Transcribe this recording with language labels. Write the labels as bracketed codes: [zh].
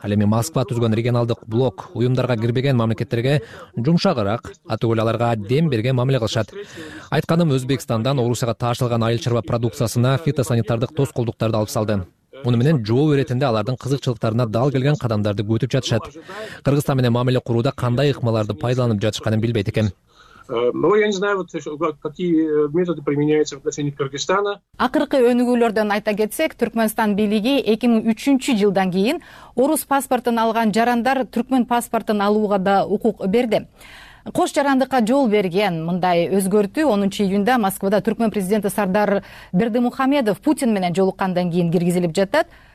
[ky] Ал эми Москва түзгөн регионалдык блок уюмдарга кирбеген мамлекеттерге жумшагыраак, атүгөл аларга дем берген мамиле кылышат. Айтканым, Өзбекстандан Орусияга таашылган айыл чарба продукциясына фитосанитардык тоскоолдуктарды алып салды. Муну менен жооп иретинде алардын кызыкчылыктарына дал келген кадамдарды күтүп жатышат. Кыргызстан менен мамиле курууда кандай ыкмаларды пайдаланып жатышканын билбейт экен. [ru] Но я не знаю, вот, какие методы применяются в отношении Кыргызстана. [ky] Акыркы өнүгүүлөрдөн айта кетсек, Түркмөнстан бийлиги 2003 жылдан кийин орус паспортун алган жарандар түркмөн паспортун алууга да укук берди. Кош жарандыкка жол берген мындай өзгөртүү 10 июнда Москвада түркмөн президенти Сардар Бердимухамедов Путин менен жолуккандан кийин киргизилип жатат.